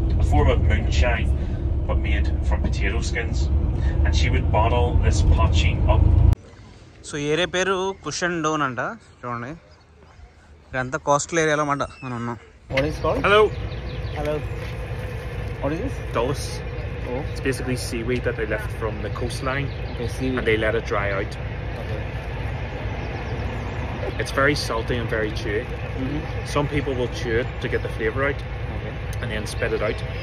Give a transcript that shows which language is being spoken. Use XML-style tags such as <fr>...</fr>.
<en>Former moonshine, but made from potato skins, and she would bottle this patching up.</en> <te>So ఈ area పేరు cushion Dhone అంట. చూడండి ఇదంతా coastal ఏరియాలో అంట మనం ఉన్నాం.</te> <en>What is called? Hello. Hello. What is this? Dolus. Oh. It's basically seaweed that they left from the coastline. Okay, seaweed. And they let it dry out. Okay. It's very salty and very chewy. Mm-hmm. Some people will chew it to get the flavor out. Okay. And then spit it out.</en>